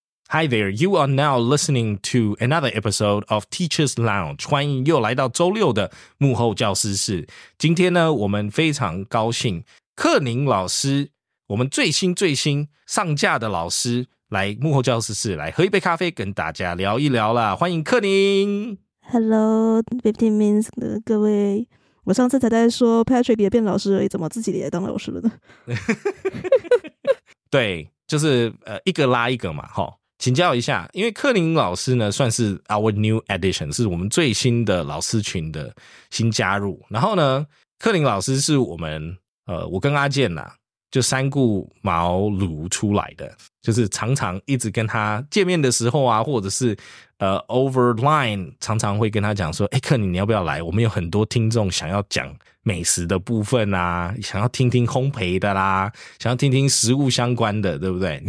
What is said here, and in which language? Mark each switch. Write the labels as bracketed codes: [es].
[en] Hi there, you are now listening to another episode of Teacher's Lounge. [zh] 欢迎又来到周六的幕后教师室。今天呢，我们非常高兴，克宁老师，我们最新上架的老师，来幕后教师室，来喝一杯咖啡，跟大家聊一聊啦。欢迎克宁。 Hello, 15 Minutes 的各位。我上次才在说 Patrick 也变老师而已，怎么自己也当老师了呢？对，就是一个拉一个嘛，齁。请教一下，因为克林老师呢算是 [en] our new addition， [zh] 是我们最新的老师群的新加入。然后呢，克林老师是我们我跟阿健啦，就三顾茅庐出来的，就是常常一直跟他见面的时候啊，或者是over line 常常会跟他讲说，诶，克林，你要不要来，我们有很多听众想要讲美食的部分啊，想要听听烘焙的啦，想要听听食物相关的，对不对？